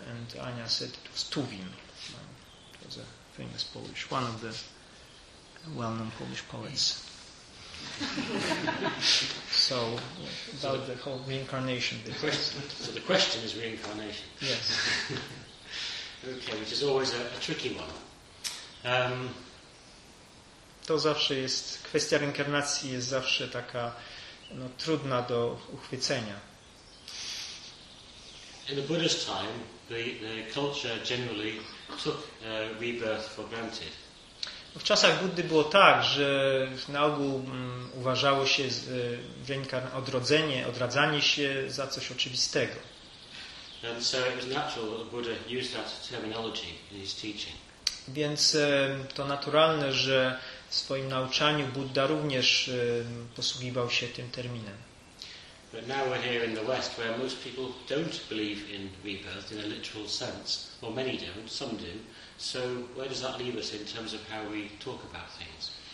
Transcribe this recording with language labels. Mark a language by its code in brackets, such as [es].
[en] And Anya said it was Tuwim. It was a famous Polish, one of the well-known Polish poets. So, about the whole reincarnation. The question is reincarnation. Yes. Okay, which is always a tricky one. [pl] To zawsze jest, kwestia reinkarnacji jest zawsze taka no, trudna do uchwycenia. [en] In the Buddha's time, the culture generally took rebirth for granted. [pl] W czasach Buddy było tak, że na ogół uważało się odrodzenie, odradzanie się za coś oczywistego. [en] And so it was natural that the Buddha used that terminology in his teaching. [pl] Więc to naturalne, że w swoim nauczaniu Budda również posługiwał się tym terminem. [en] But now we're here in the West where most people don't believe in rebirth in a literal sense, or many don't, some do. So where does that leave us in terms of how we talk about things?